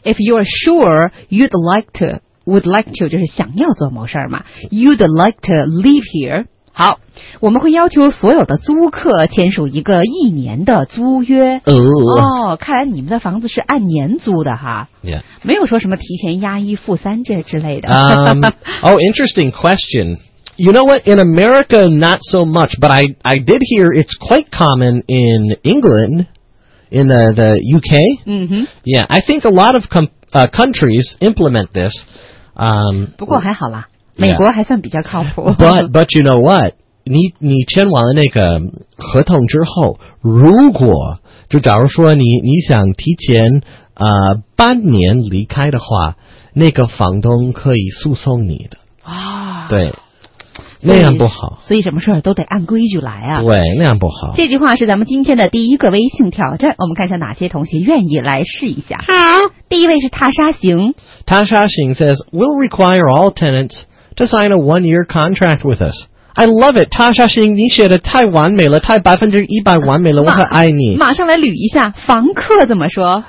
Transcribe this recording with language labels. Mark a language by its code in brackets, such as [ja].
[en] if you're sure you'd like to, would like to [zh] 就是想要做某事儿嘛 [en] ，you'd like to live here。 [zh] 好，我们会要求所有的租客签署一个一年的租约。哦，看来你们的房子是按年租的哈。 [en] Yeah. [zh] 没有说什么提前押一付三这之类的。 [en] interesting question. You know what? In America, not so much, but I did hear it's quite common in England, in the UK. Mm-hmm. Yeah, I think a lot of countries implement this. [zh] 不过还好啦。美国还算比较靠谱。 [en] Yeah. But you know what? [zh] 你签完了那个合同之后，如果就假如说你想提前半年离开的话，那个房东可以诉讼你的。啊，对，那样不好。所以什么事都得按规矩来啊。对，那样不好。这句话是咱们今天的第一个微信挑战，我们看一下哪些同学愿意来试一下。好，第一位是踏沙行。 [en] 踏沙行 says will require all tenants. To sign a one-year contract with us. I love it. [zh] 踏沙行，你写的太完美了，太100%完美了，我很爱你。马上来捋一下，房客怎么说？